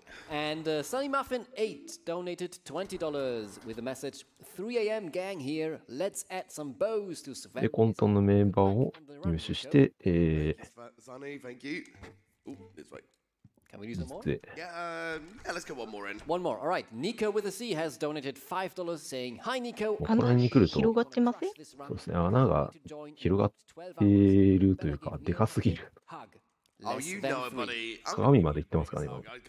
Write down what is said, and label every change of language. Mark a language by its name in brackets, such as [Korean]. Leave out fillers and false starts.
[English] And Sunny Muffin 8 donated $20 with a message 3am gang here. Let's add some bows to Sven. [Japanese] で、混沌のメンバーを入手して、 [English] Sunny, thank you. Oh, this way. Can we do some more? Yeah, let's get one more in. One more. All right. Nico with a C has donated $5 saying, "Hi Nico." [Japanese] ここら辺に来ると、広がってません？そうですね。穴が広がっているというか、でかすぎる。鏡まで行ってますかね、今。